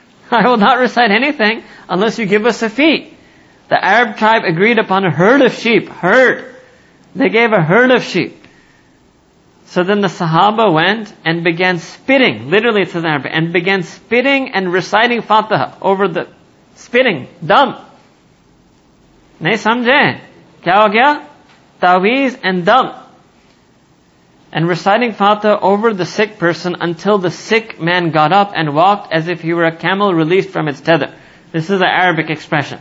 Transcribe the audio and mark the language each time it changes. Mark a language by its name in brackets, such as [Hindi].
[English] I will not recite anything unless you give us a fee. The Arab tribe agreed upon a herd of sheep. Herd. They gave a herd of sheep. So then the Sahaba went and began spitting, literally it says in Arabic, and began spitting and reciting Fatiha over the spitting, dumb. [Urdu] نہیں سمجھے؟ کیا ہو گیا؟ [English] Taweez and dumb. And reciting Fatiha over the sick person until the sick man got up and walked as if he were a camel released from its tether. This is an Arabic expression.